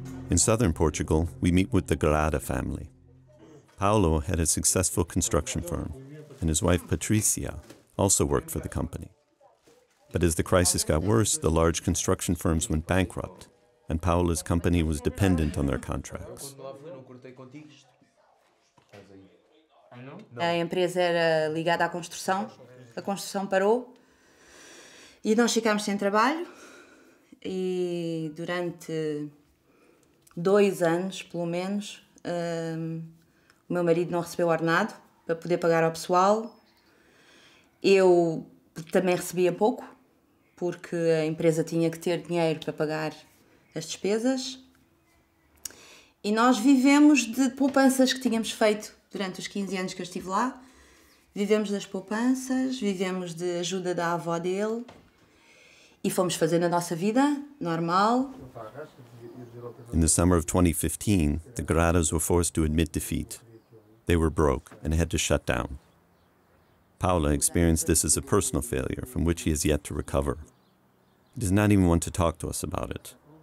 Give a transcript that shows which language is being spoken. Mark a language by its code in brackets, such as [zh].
[en] In southern Portugal, we meet with the Grada family. Paulo had a successful construction firm, and his wife Patricia also worked for the company. But as the crisis got worse, the large construction firms went bankrupt, and Paulo's company was dependent on their contracts. [pt] A empresa era ligada à construção. A construção parou e nós ficámos sem trabalho. E durante 2 anos, pelo menos, o meu marido não recebeu ordenado para poder pagar ao pessoal. Eu também recebia pouco, porque a empresa tinha que ter dinheiro para pagar as despesas. E nós vivemos de poupanças que tínhamos feito durante os 15 anos que eu estive lá. Vivemos das poupanças, vivemos de ajuda da avó dele e fomos fazendo a nossa vida normal. [en] In the summer of 2015, the Gradas were forced to admit defeat. They were broke and had to shut down. Paula experienced this as a personal failure from which he has yet to recover. He does not even want to talk to us about it.